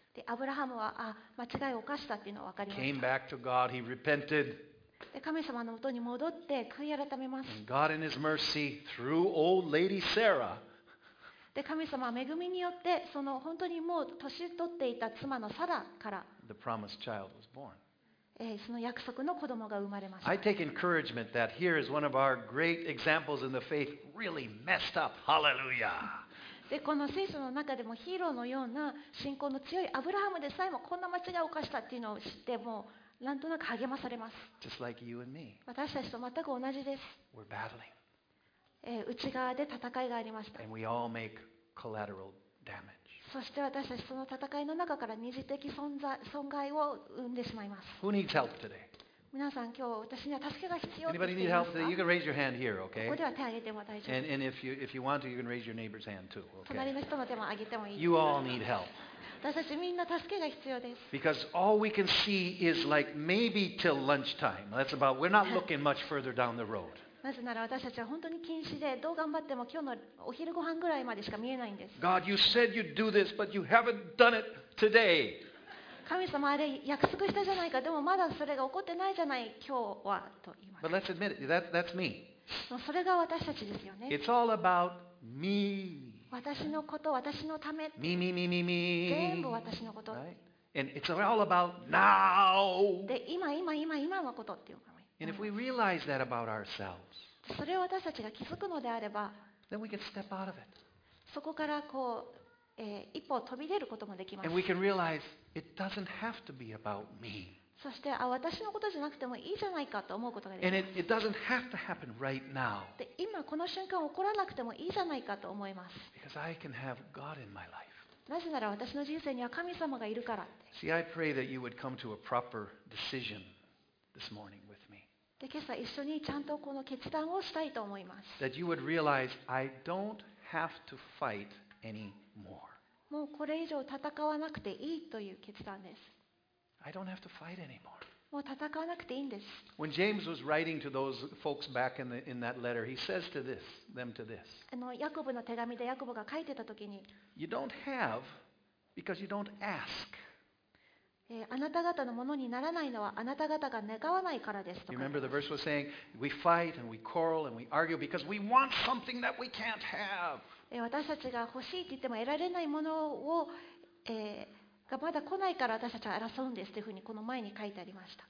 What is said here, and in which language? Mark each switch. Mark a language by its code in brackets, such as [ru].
[ja] でアブラハムは間違いを犯したっていうのは分かりました。 [en] Came back to God, he repented. [ja] で神様の元に戻って悔い改めます。 [en] And God in His mercy through old lady Sarah. [ja] で神様は恵みによってその本当にもう年取っていた妻のサラから [en] The promised child was born. [ja] その約束の子供が生まれました。 [en] I take encouragement that here is one of our great examples in the faith really messed up. Hallelujah! [ja] でこの聖書の中でもヒーローのような信仰の強いアブラハムでさえもこんな間違いを犯したっていうのを知ってもうなんとなく励まされます。 [en] Just like you and me. [ja] 私たちと全く同じです。 [en] We're battling. [ja] 内側で戦いがありました。 [en] And we all make collateral damage. [ja] そして私たちその戦いの中から二次的損害を生んでしまいます。 [en] Who needs help today? [ja] 皆さん今日私には助けが必要です。 [en] Anybody need help today? You can raise your hand here, okay? [ja] ここでは手を挙げても大丈夫。 [en] And if you want to, you can raise your neighbor's hand too, okay? [ja] 隣の人の手も挙げてもいいです。 [en] You all need help. [ja] 私たちみんな助けが必要です。 [en] Because all we can see is like maybe till lunchtime. That's about. We're not looking much further down the road. [ja] なぜなら私たちは本当に禁止でどう頑張っても今日のお昼ご飯ぐらいまでしか見えないんです。 [en] God, you said you'd do this, but you haven't done it today. [ja] 神様あれ約束したじゃないか。でもまだそれが起こってないじゃない今日はと言います。 [en] But let's admit it. That's me. [ja] それが私たちですよね。 [en] It's all about me. [ja] 私のこと、私のため、 [en] me. [ja] 全部私のこと。 [en] Right? And it's all about now. [ja] で、今のことっていう。 [en] And if we realize that about ourselves, [ja] それを私たちが気づくのであれば、 [en] then we can step out of it. [ja] そこからこう、一歩飛び出ることもできます。 [en] And we can realize it doesn't have to be about me. [ja] そして、あ、私のことじゃなくてもいいじゃないかと思うことができます。 [en] And it doesn't have to happen right now. [ja] で、今この瞬間起こらなくてもいいじゃないかと思います。 [en] Because I can have God in my life. [ja] なぜなら私の人生には神様がいるからって。 [en] See, I pray that you would come to a proper decision this morning with me. [ja] で、今朝一緒にちゃんとこの決断をしたいと思います。 [en] That you would realize I don't have to fight anymore. [ja] もうこれ以上戦わなくていいという決断です。 [en] I don't have to fight anymore. [ja] もう戦わなくていいんです。 [en] When James was writing to those folks back in that letter, he says to this, them to this. [ja] ヤコブの手紙でヤコブが書いてた時に、 [en] You don't have because you don't ask. [ja] あなた方のものにならないのはあなた方が願わないからですとか。 [en] Remember the verse was saying, we fight and we quarrel and we argue because we want something that we can't have. [ja] 私たちが欲しいと言っても得られないものを、がまだ来ないから私たちは争うんですというふうにこの前に書いてありました。